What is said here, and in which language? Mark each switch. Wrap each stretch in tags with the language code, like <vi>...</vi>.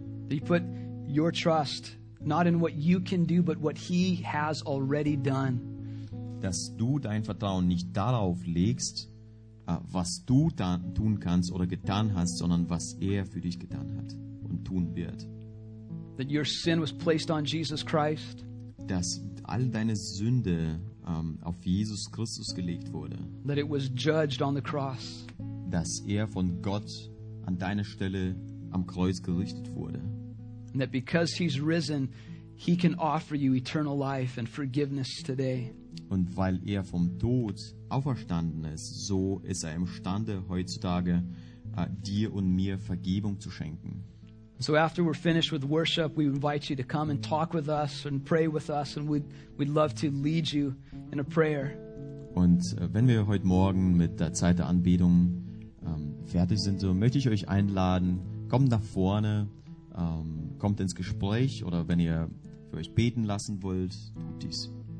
<en>You put your trust not in what you can do, but what He has already done.</en> <de>Dass du dein Vertrauen nicht darauf legst, was du tun kannst oder getan hast, sondern was er für dich getan hat und tun wird.</de> <en>That your sin was placed on Jesus Christ.</en> <de>Dass all deine Sünde auf Jesus Christus gelegt wurde.</de> <en>That it was judged on the cross.</en> <de>Dass er von Gott an deine Stelle am Kreuz gerichtet wurde.</de> <en>And that because he's risen, he can offer you eternal life and forgiveness today.</en> <de>Und weil er vom Tod auferstanden ist, so ist er imstande heutzutage dir und mir Vergebung zu schenken.</de> <en>So after we're finished with worship, we invite you to come and talk with us and pray with us, and we'd love to lead you in a prayer.</en> <de>Und wenn wir heute Morgen mit der Zeit der Anbetung fertig sind, so möchte ich euch einladen, kommt nach vorne, kommt ins Gespräch, oder wenn ihr für euch beten lassen wollt, tut dies.</de>